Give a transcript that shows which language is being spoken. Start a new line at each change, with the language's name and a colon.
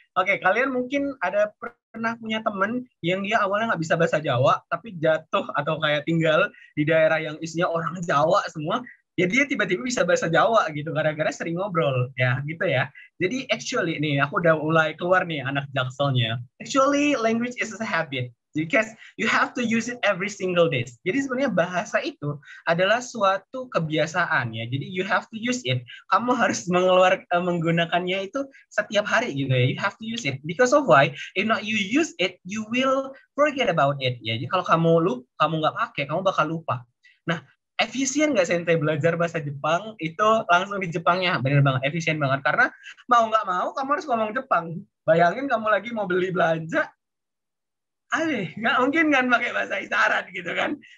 Indonesian: Oke, kalian mungkin ada pernah punya teman yang dia awalnya nggak bisa bahasa Jawa, tapi jatuh atau kayak tinggal di daerah yang isinya orang Jawa semua, ya dia tiba-tiba bisa bahasa Jawa gitu, gara-gara sering ngobrol, ya gitu ya. Jadi
English: actually,
Indonesian: nih aku udah mulai keluar nih anak jakselnya.
English: Actually, language is a habit, because you have to use it every single day.
Indonesian: Jadi sebenarnya bahasa itu adalah suatu kebiasaan ya, jadi
English: you have to use it.
Indonesian: Kamu harus menggunakannya itu setiap hari gitu ya,
English: you have to use it. Because of why, if not you use it, you will forget about it.
Indonesian: Ya. Jadi kalau kamu lupa, kamu nggak pakai, kamu bakal lupa. Nah, efisien nggak Sensei belajar bahasa Jepang itu langsung di Jepangnya? Benar banget, efisien banget. Karena mau nggak mau, kamu harus ngomong Jepang. Bayangin kamu lagi mau beli belanja, aneh, nggak mungkin kan pakai bahasa isyarat gitu kan.